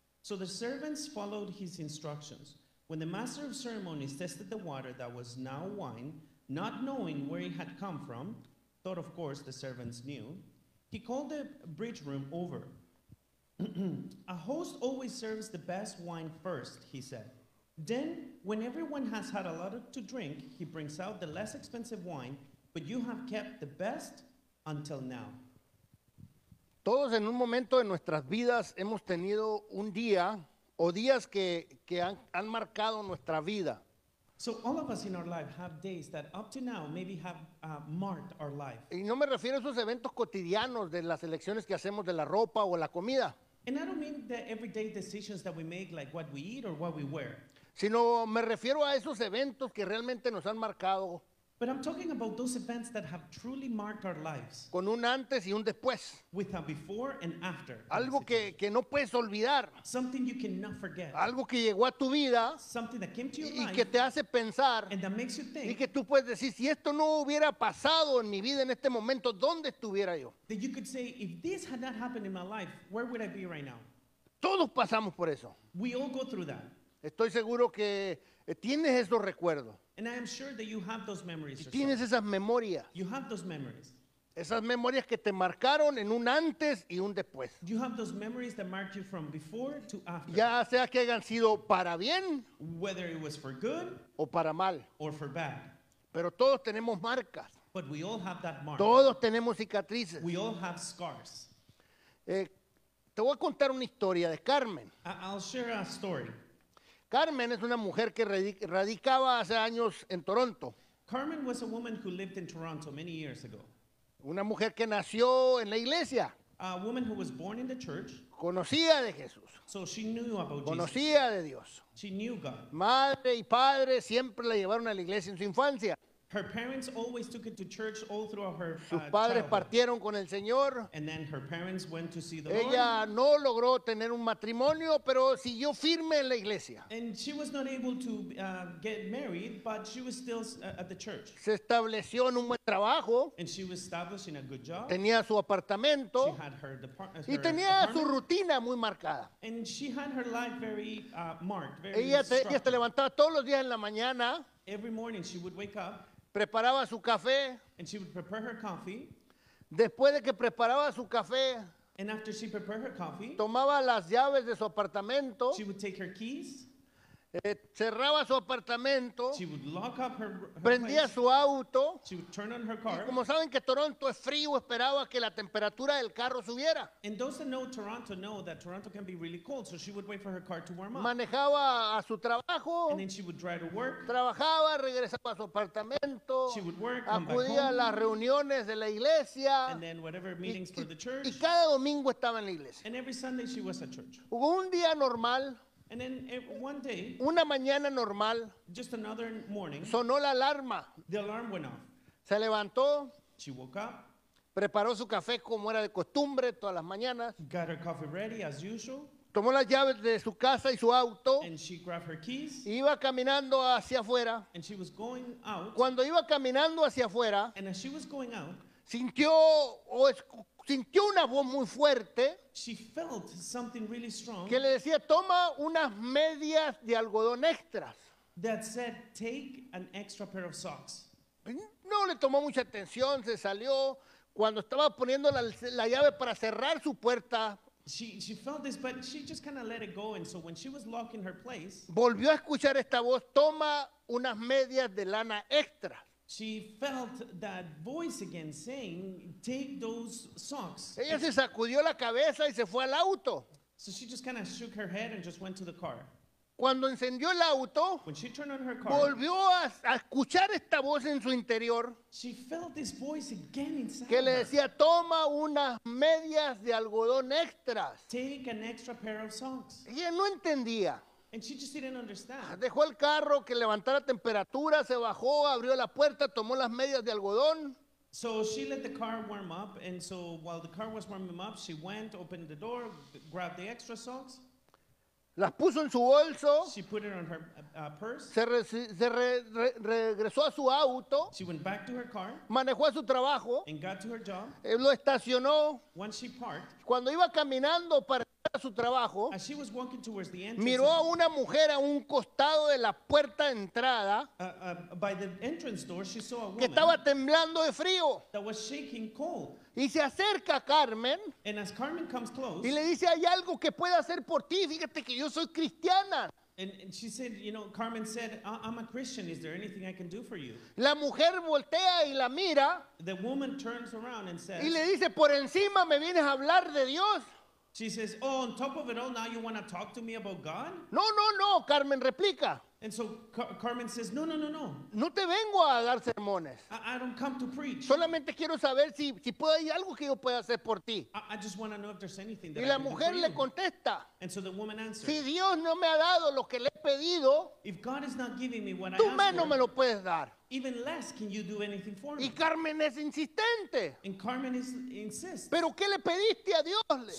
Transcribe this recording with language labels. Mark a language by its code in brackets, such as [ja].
[en] So the servants followed his instructions. When the master of ceremonies tested the water that was now wine, not knowing where it had come from, though of course the servants knew, he called the bridge room over. A host always serves the best wine first, he said. Then, when everyone has had a lot to drink, he brings out the less expensive wine, but you have kept the best until now. [es] Todos en un momento de nuestras vidas hemos tenido un día o días que han marcado nuestra vida. [en] So all of us in our life have days that up to now maybe have marked our life. [es] Y no me refiero a esos eventos cotidianos de las elecciones que hacemos de la ropa o la comida. [en] And I don't mean the everyday decisions that we make, like what we eat or what we wear. [es] Sino me refiero a esos eventos que realmente nos han marcado. [en] But I'm talking about those events that have truly marked our lives. [es] Con un antes y un después. [en] With a before and after. [es] Algo que no puedes olvidar. [en] Something you cannot forget. [es] Algo que llegó a tu vida. [en] Something that came to your [es] y [en] life. [es] Y que te hace pensar. [en] And that makes you think. [es] Y que tú puedes decir, si esto no hubiera pasado en mi vida en este momento, ¿dónde estuviera yo? [en] That you could say, if this had not happened in my life, where would I be right now? [es] Todos pasamos por eso. [en] We all go through that. [es] Estoy seguro que tienes esos recuerdos. [en] And I am sure that you have those memories. [es] Tienes esas memorias. [en] You have those memories. [es] Esas memorias que te marcaron en un antes y un después. [en] You have those memories that marked you from before to after. [es] Ya sea que hayan sido para bien. [en] Whether it was for good. [es] O para mal. [en] Or for bad. [es] Pero todos tenemos marcas. [en] But we all have that mark. [es] Todos tenemos cicatrices. [en] We all have scars. [es] Te voy a contar una historia de Carmen. [en] I'll share a story. [es] Carmen es una mujer que radicaba hace años en Toronto. [en] Carmen was a woman who lived in Toronto many years ago. [es] Una mujer que nació en la iglesia. [en] A woman who was born in the church. [es] Conocía de Jesús. [en] So she knew about [es] Conocía [en] Jesus. [es] De Dios. [en] She knew God. [es] Madre y padre siempre la llevaron a la iglesia en su infancia. [en] Her parents always took it to church all throughout her [es] Sus padres partieron con el Señor. [en] And then her parents went to see the [es] Ella [en] Lord. [es] No logró tener un matrimonio, pero siguió firme en la iglesia. [en] And she was not able to get married, but she was still at the church. [es] Se estableció en un buen trabajo. [en] And she was establishing a good job. [es] Tenía su apartamento. [en] She had her [es] y tenía [en] apartment. [es] Su rutina muy marcada. [en] And she had her life very marked, very [es] ella se levantaba todos los días en la mañana. [en] Every morning she would wake up. [es] Preparaba su café. [en] And she would prepare her coffee. [es] Después de que preparaba su café, [en] and after she prepared her coffee, [es] tomaba las llaves de su apartamento. [en] She would take her keys. [es] Cerraba su apartamento. [en] She would lock up her [es] prendía [en] place. [es] Su auto. [en] She would turn on her car. [es] Y como saben que Toronto es frío, esperaba que la temperatura del carro subiera. [en] And those that know Toronto know that Toronto can be really cold, so she would wait for her car to warm up. [es] Manejaba a su trabajo. [en] And then she would drive to work. [es] Trabajaba, regresaba a su apartamento. [en] She would work, come back home. [es] A las reuniones de la iglesia. [en] And then whatever meetings for the church. [es] Y cada domingo estaba en la iglesia. [en] And every Sunday she was at church. [es] Hubo un día normal. [en] And then one day, [es] una mañana normal, [en] just another morning, [es] sonó la alarma. [en] The alarm went off. [es] Se levantó. [en] She woke up. [es] Preparó su café como era de costumbre todas las mañanas. [en] Got her coffee ready as usual. [es] Tomó las llaves de su casa y su auto. [en] And she grabbed her keys. [es] Iba caminando hacia afuera. [en] And she was going out. [es] Cuando iba caminando hacia afuera, [en] and as she was going out, [es] sintió una voz muy fuerte. [en] She felt something really strong. [es] Que le decía, toma unas medias de algodón extras. [en] That said, take an extra pair of socks. [es] No le tomó mucha atención, se salió. Cuando estaba poniendo la llave para cerrar su puerta. [en] She felt this, but she just kind of let it go. And so when she was locking her place. [es] Volvió a escuchar esta voz, toma unas medias de lana extras. [en] She felt that voice again saying, take those socks. [es] Ella se sacudió la cabeza y se fue al auto. [en] So she just kind of shook her head and just went to the car. [es] Cuando encendió el auto, [en] when she turned on her car, [es] volvió a escuchar esta voz en su interior. [en] She felt this voice again inside. [es] Que le decía, toma unas medias de algodón extras. [en] Take an extra pair of socks. [es] Ella no entendía. [en] And she just didn't understand. [es] Dejó el carro que levantara temperatura, se bajó, abrió la puerta, tomó las medias de algodón. [en] So she let the car warm up, and so while the car was warming up, she went, opened the door, grabbed the extra socks. [es] Las puso en su bolso. [en] She put it on her purse. [es] Regresó a su auto. [en] She went back to her car. [es] Manejó a su trabajo. [en] And got to her job. [es] Lo estacionó. [en] When she parked. [es] Cuando iba caminando para a su trabajo, [en] as she was walking towards the entrance, [es] miró a una mujer a un costado de la puerta de entrada [en] by the entrance door, she saw a woman [es] que estaba temblando de frío. [en] That was shaking cold. [es] Y se acerca a Carmen, [en] and as Carmen comes close, [es] y le dice, hay algo que pueda hacer por ti, fíjate que yo soy cristiana. [en] And she said, you know, Carmen said, I'm a Christian, is there anything I can do for you? [es] La mujer voltea y la mira, [en] the woman turns around and says, [es] y le dice, por encima me vienes a hablar de Dios. [en] She says, oh, on top of it all, now you want to talk to me about God? [es] No, no, no, Carmen replica. [en] And so Carmen says, no, no, no, no. [es] No te vengo a dar sermones. [en] I don't come to preach. [es] Solamente quiero saber si puede hay algo que yo pueda hacer por ti. [en] I just want to know if there's anything that [es] y [en] I can do. [es] Y la mujer le contesta. [en] And so the woman answers. [es] Si Dios no me ha dado lo que le he pedido. [en] If God is not giving me what [es] tú [en] I asked [es] no me lo puedes dar. [en] Even less can you do anything for me. [es] Y Carmen es insistente. [en] And Carmen insists. [es] ¿Pero qué le pediste a Dios?